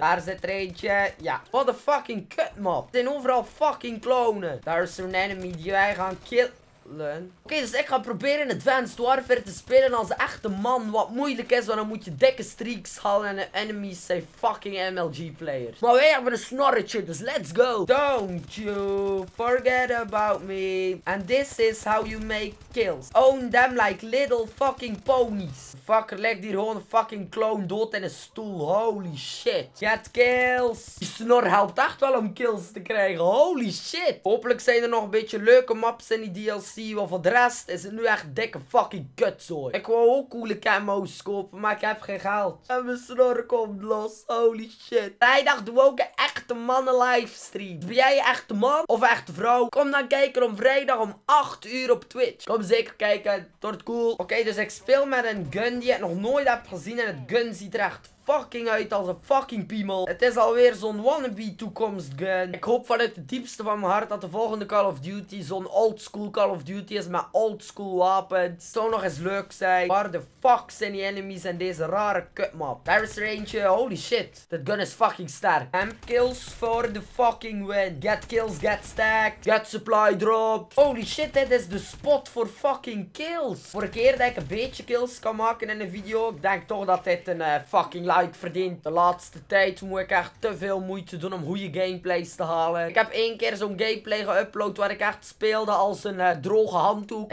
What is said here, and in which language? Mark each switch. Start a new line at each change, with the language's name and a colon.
Dutch: Daar zit er eentje, ja. Wat een fucking kut map. Er zijn overal fucking klonen. Daar is er een enemy die wij gaan killen. Oké, dus ik ga proberen Advanced Warfare te spelen als echte man. Wat moeilijk is, want dan moet je dikke streaks halen en de enemies zijn fucking MLG players. Maar wij hebben een snorretje, dus
English: let's go. Don't you forget about me. And this is how you make kills. Own them like little fucking ponies.
Dutch: Fucker, ligt hier gewoon een fucking clone dood in een stoel.
English: Holy shit. Get kills.
Dutch: Die snor helpt echt wel om kills te krijgen. Holy shit. Hopelijk zijn er nog een beetje leuke maps in die DLC. Want voor de rest is het nu echt dikke fucking kutzooi. Ik wou ook coole camo's kopen, maar ik heb geen geld. En mijn snor komt los, holy shit. Vrijdag doen we ook een echte mannen livestream. Ben jij echt man of echt vrouw? Kom dan kijken om vrijdag om 8 uur op Twitch. Kom zeker kijken, het wordt cool. Oké, dus ik speel met een gun die ik nog nooit heb gezien. En het gun ziet er echt fucking uit als een fucking piemel. Het is alweer zo'n wannabe toekomst gun. Ik hoop vanuit het diepste van mijn hart dat de volgende Call of Duty zo'n old school Call of Duty is met old school wapens. Het zou nog eens leuk zijn. Waar de fuck zijn die enemies in deze rare kutmap? Daar is er eentje. Holy shit. Dat gun is fucking sterk.
English: Amp kills for the fucking win. Get kills, get stacked. Get supply drops.
Dutch: Holy shit, dit is de spot voor fucking kills. Voor een keer dat ik een beetje kills kan maken in een video, ik denk toch dat dit een fucking like verdient. De laatste tijd moet ik echt te veel moeite doen om goede gameplays te halen. Ik heb één keer zo'n gameplay geüpload waar ik echt speelde als een droge handdoek.